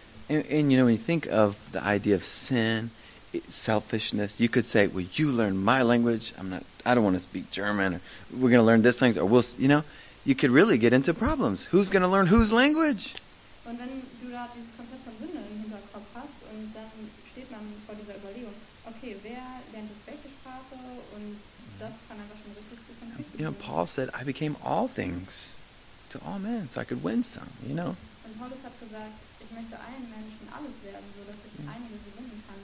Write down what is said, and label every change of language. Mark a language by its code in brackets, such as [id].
[en] And you know, when you think of the idea of sin, selfishness, you could say, well, you learn my language. I don't want to speak German. Or we're going to learn this language. Or we'll, you know, you could really get into problems. Who's going to learn whose language? [de] Und wenn du da dieses Konzept von Sünde im Hinterkopf hast und dann steht man vor dieser Überlegung, okay, wer lernt jetzt welche Sprache und das kann einfach schon richtig zu [en] You know, Paul said, I became all things to all men, so I could win some, you know. [de] Und Paulus hat gesagt, ich möchte allen Menschen alles werden, sodass ich einige gewinnen kann.